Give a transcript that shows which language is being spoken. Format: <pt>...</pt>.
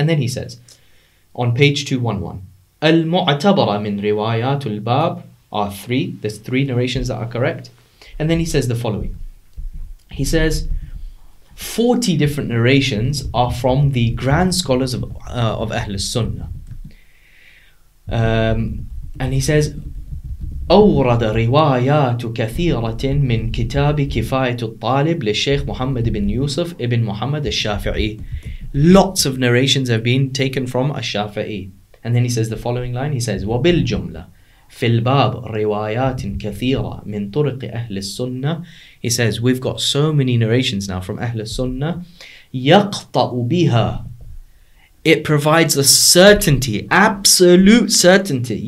<en>And then he says, on page 211,</en> <ar>al-mu'tabara min riwayatul bab</ar> <en>are three. There's three narrations that are correct. And then he says the following. He says, 40 different narrations are from the grand scholars of Ahlus Sunnah. And he says,</en> <ar>أورد روايات كثيرة من كتاب كفاية الطالب للشيخ محمد بن يوسف ابن محمد الشافعي.</ar> <en>Lots of narrations have been taken from الشافعي. And then he says the following line, he says,</en> <ar>وبالجملة في الباب روايات كثيرة من طرق أهل السنة.</ar> <en>He says, we've got so many narrations now from أهل السنة.</en> <ar>يقطع بها.</ar> <en>It provides a certainty, absolute certainty.</en>